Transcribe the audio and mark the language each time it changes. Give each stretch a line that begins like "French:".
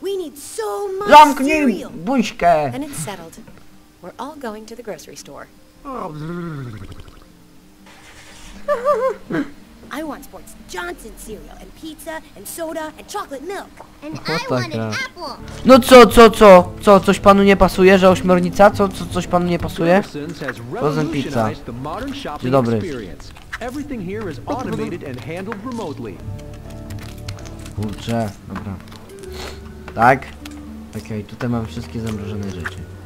English: We need so much cereal.
Polish: Zamknij buźkę.
English: And it's settled. We're all going to the grocery store. I want Sports Johnson cereal and pizza and soda and chocolate milk. And I want an apple.
Polish: No co, co, co? Co, coś panu nie pasuje, że ośmiornica? Co, co, coś panu nie pasuje?
English: Frozen pizza.
Polish: Dzień dobry.
English: Everything here is automated and handled remotely.
Polish: Kurczę, dobra. Tak? Okej, okay, tutaj mam wszystkie zamrożone rzeczy.